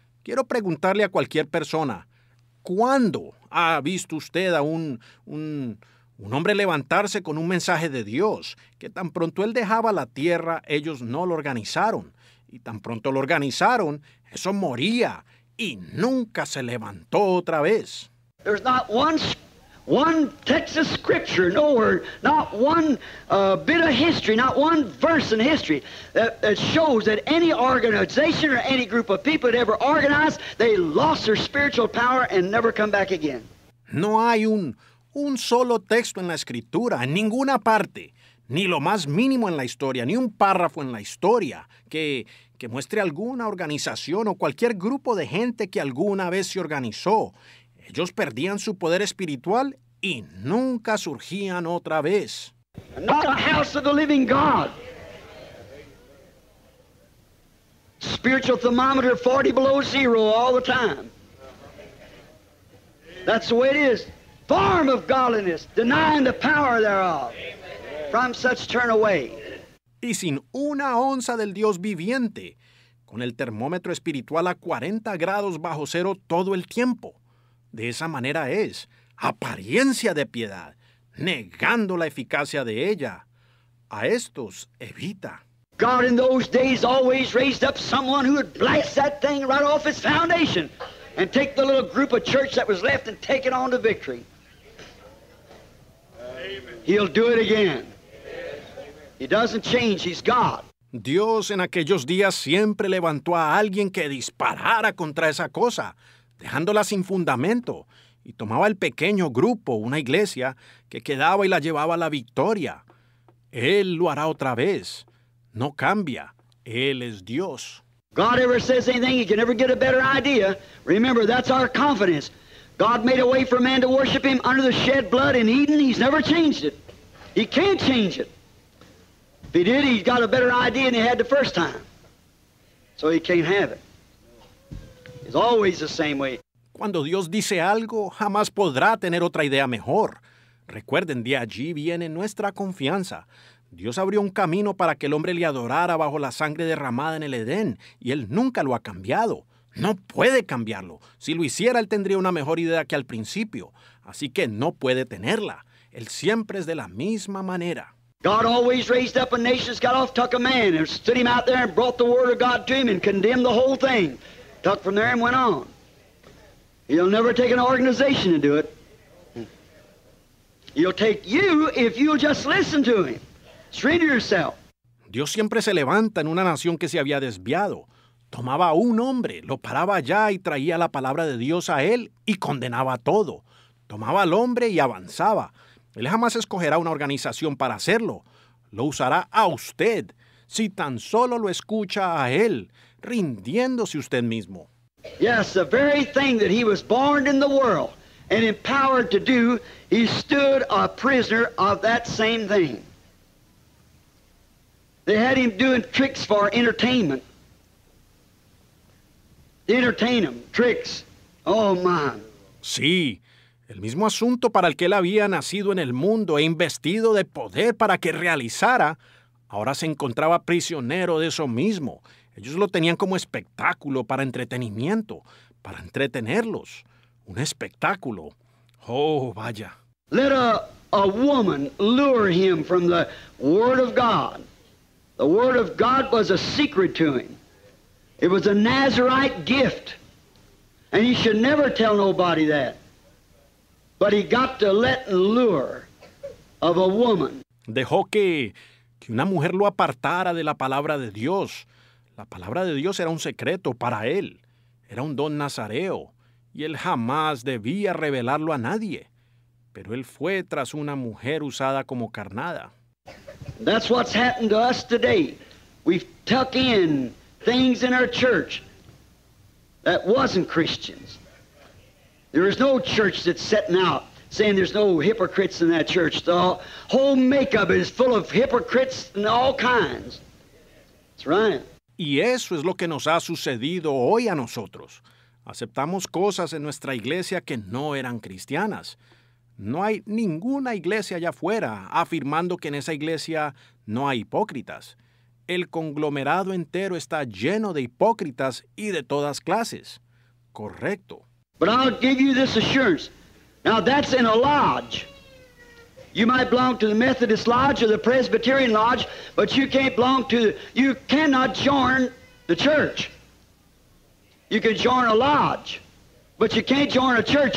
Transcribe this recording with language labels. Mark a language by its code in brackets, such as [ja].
[es] Quiero preguntarle a cualquier persona, ¿cuándo ha visto usted a un hombre levantarse con un mensaje de Dios? Que tan pronto él dejaba la tierra, ellos no lo organizaron. Y tan pronto lo organizaron, eso moría y nunca se levantó otra vez. [en] There's not one Texas scripture, nowhere, not one bit of history, not one verse in history that shows that any organization or any group of people that ever organized, they lost their spiritual power and never come back again. [es] No hay un solo texto en la escritura, en ninguna parte, ni lo más mínimo en la historia, ni un párrafo en la historia que muestre alguna organización o cualquier grupo de gente que alguna vez se organizó. Ellos perdían su poder espiritual y nunca surgían otra vez. [en] Not a house of the living God. Spiritual thermometer 40 below zero all the time. That's the way it is. Form of godliness, denying the power thereof. From such turn away. [es] Y sin una onza del Dios viviente, con el termómetro espiritual a 40 grados bajo cero todo el tiempo. De esa manera es, apariencia de piedad, negando la eficacia de ella. A estos evita. [en] God in those days always raised up someone who would blast that thing right off its foundation and take the little group of church that was left and take it on to victory. Amen. He'll do it again. He doesn't change, he's God. [es] Dios en aquellos días siempre levantó a alguien que disparara contra esa cosa, dejándola sin fundamento, y tomaba el pequeño grupo, una iglesia, que quedaba y la llevaba a la victoria. Él lo hará otra vez. No cambia. Él es Dios. [en] God ever says anything, he can never get a better idea. Remember, that's our confidence. God made a way for man to worship him under the shed blood in Eden. He's never changed it. He can't change it. If he did, he's got a better idea than he had the first time. So he can't have it. It's always the same way. [es] Cuando Dios dice algo, jamás podrá tener otra idea mejor. Recuerden, de allí viene nuestra confianza. Dios abrió un camino para que el hombre le adorara bajo la sangre derramada en el Edén, y él nunca lo ha cambiado. No puede cambiarlo. Si lo hiciera, él tendría una mejor idea que al principio. Así que no puede tenerla. Él siempre es de la misma manera. [en] God always raised up a nation, got off, took a man, and stood him out there and brought the word of God to him and condemned the whole thing. Took from there and went on. He'll never take an organization to do it. He'll take you if you'll just listen to him. Surrender yourself. [es] Dios siempre se levanta en una nación que se había desviado. Tomaba a un hombre, lo paraba allá y traía la palabra de Dios a él y condenaba todo. Tomaba al hombre y avanzaba. Él jamás escogerá una organización para hacerlo. Lo usará a usted, si tan solo lo escucha a él, rindiéndose usted mismo. [en] Yes, the very thing that he was born in the world and empowered to do, he stood a prisoner of that same thing. They had him doing tricks for entertainment. To entertain him, tricks. Oh, man. [es] Sí, el mismo asunto para el que él había nacido en el mundo e investido de poder para que realizara, ahora se encontraba prisionero de eso mismo. Ellos lo tenían como espectáculo para entretenimiento, para entretenerlos. Un espectáculo. Oh, vaya. [en] Let a woman lure him from the word of God. The word of God was a secret to him. It was a Nazarite gift. And he should never tell nobody that. But he got to let the lure of a woman. [es] Dejó que una mujer lo apartara de la palabra de Dios. La palabra de Dios era un secreto para él. Era un don nazareo. y él jamás debía revelarlo a nadie. Pero él fue tras una mujer usada como carnada. [en] That's what's happened to us today. We've tucked in things in our church that wasn't Christians. There is no church that's setting out saying there's no hypocrites in that church. The whole makeup is full of hypocrites and all kinds. That's right. [es] Y eso es lo que nos ha sucedido hoy a nosotros. Aceptamos cosas en nuestra iglesia que no eran cristianas. No hay ninguna iglesia allá afuera afirmando que en esa iglesia no hay hipócritas. El conglomerado entero está lleno de hipócritas y de todas clases. Correcto. [en] But I'll give you this assurance. Now that's in a lodge. You might belong to the Methodist lodge or the Presbyterian lodge, but you can't belong to, you cannot join the church. You can join a lodge, but you can't join a church.